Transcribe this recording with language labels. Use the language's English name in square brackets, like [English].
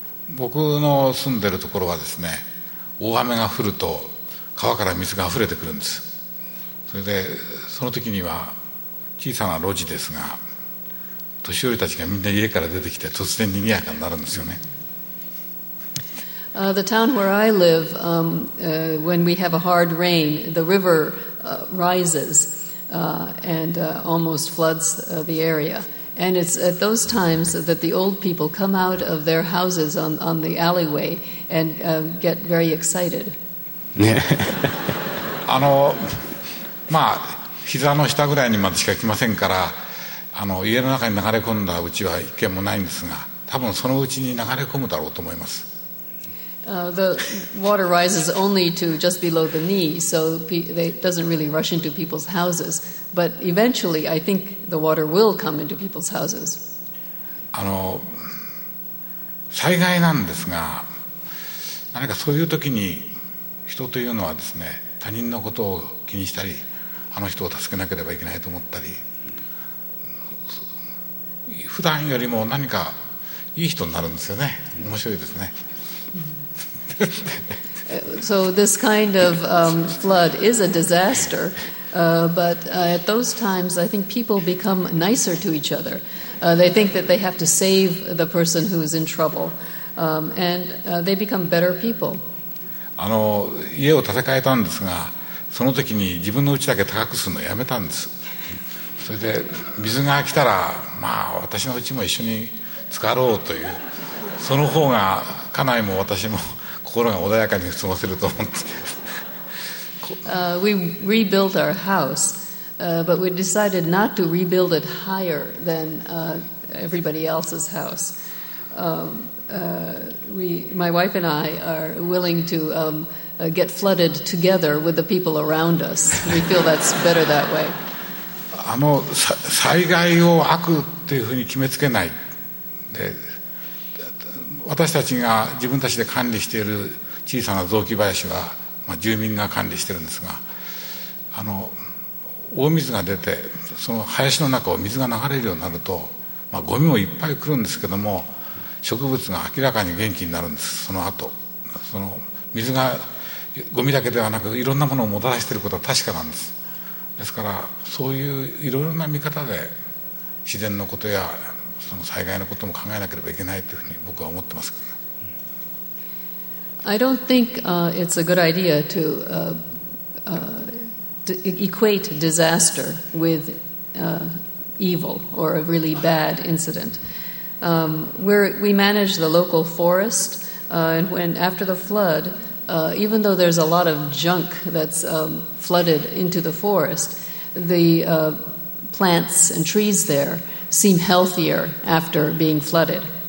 [Japanese] 僕の住んでるところはですね、大雨が降ると川から水が溢れてくるんです。それでその時には小さな路地ですが、年寄りたちがみんな家から出てきて突然賑やかになるんですよね。 [English] The town where I live, when we have a hard rain, the river rises and almost floods the area. And it's at those times that the old people come out of their houses on the alleyway and get very excited. [Japanese] まあ膝の下ぐらいにまでしか来ませんから、家の中に流れ込んだうちは一軒もないんですが、多分そのうちに流れ込むだろうと思います。 [English] The water rises only to just below the knee, so it doesn't really rush into people's houses. But eventually, I think the water will come into people's houses. [Japanese] 災害なんですが、何かそういう時に人というのはですね、他人のことを気にしたり、あの人を助けなければいけないと思ったり、普段よりも何かいい人になるんですよね。面白いですね。 [English] So this kind of flood is a disaster, but at those times I think people become nicer to each other. They think that they have to save the person who is in trouble, and they become better people. [Japanese] 家を建て替えたんですが、その時に自分の家だけ高くするのをやめたんです。それで水が来たら、まあ私の家も一緒に浸かろうという、その方が家内も私も心が穏やかに過ごせると思って。 [English] We rebuilt our house, but we decided not to rebuild it higher than everybody else's house. My wife and I are willing to get flooded together with the people around us. We feel that's better that way. [Japanese] 災害を悪というふうに決めつけない。私たちが自分たちで管理している小さな雑木林は、まあ、住民が管理しているんですが、大水が出てその林の中を水が流れるようになると、まあ、ゴミもいっぱい来るんですけども、植物が明らかに元気になるんです。その後その水がゴミだけではなくいろんなものをもたらしていることは確かなんです。ですからそういういろいろな見方で自然のことやその災害のことも考えなければいけないというふうに僕は思ってます。 [English] I don't think it's a good idea to equate disaster with evil or a really bad incident. We manage the local forest, and when after the flood, even though there's a lot of junk that's flooded into the forest, the plants and trees there seem healthier after being flooded.